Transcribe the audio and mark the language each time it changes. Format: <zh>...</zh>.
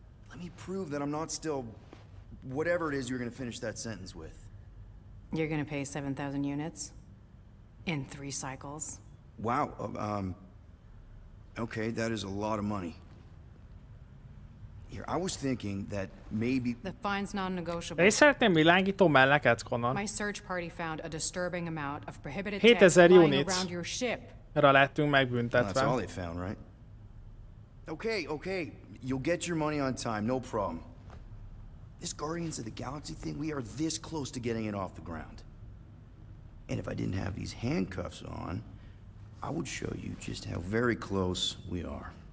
<en>Let me prove that I'm not still whatever it is you're gonna finish that sentence with. You're gonna pay 7,000 units? In 3 cycles? Wow, okay, that is a lot of money. Here, I was thinking that maybe... The fine's non-negotiable.</en> <hu>Én szeretném világító melleket, Conan.</hu> <en>My search party found a disturbing amount of prohibited tech lying around your ship.</en> <hu>Erre lettünk megbüntetve.</hu> <en>That's all they found, right? Okay, okay. You'll get your money on time, no problem. This Guardians of the Galaxy thing, we are this close to getting it off the ground. And if I didn't have these handcuffs on... I would show you just how very close we are.</en>